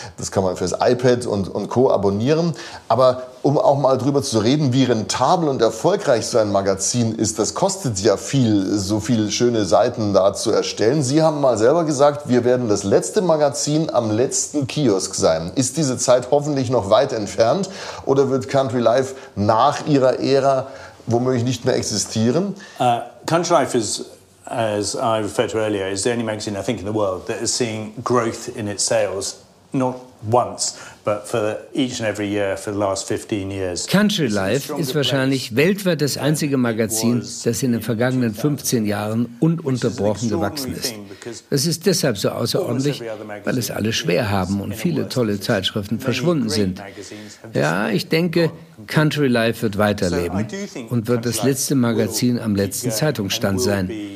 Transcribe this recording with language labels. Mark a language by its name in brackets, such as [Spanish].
[German] Das kann man fürs iPad und Co. abonnieren. Aber um auch mal drüber zu reden, wie rentabel und erfolgreich so ein Magazin ist, das kostet ja viel, so viele schöne Seiten da zu erstellen. Sie haben mal selber gesagt, wir werden das letzte Magazin am letzten Kiosk sein. Ist diese Zeit hoffentlich noch weit entfernt oder wird Country Life nach ihrer Ära womöglich nicht mehr existieren? [English] Country Life is as I referred to earlier, is the only magazine, I think, in the world that is seeing growth in its sales, not once, but for each and every year for the last 15 years. [German] Country Life ist wahrscheinlich weltweit das einzige Magazin, das in den vergangenen 15 Jahren ununterbrochen gewachsen ist. Das ist deshalb so außerordentlich, weil es alle schwer haben und viele tolle Zeitschriften verschwunden sind. Ja, ich denke, Country Life wird weiterleben und wird das letzte Magazin am letzten Zeitungsstand sein.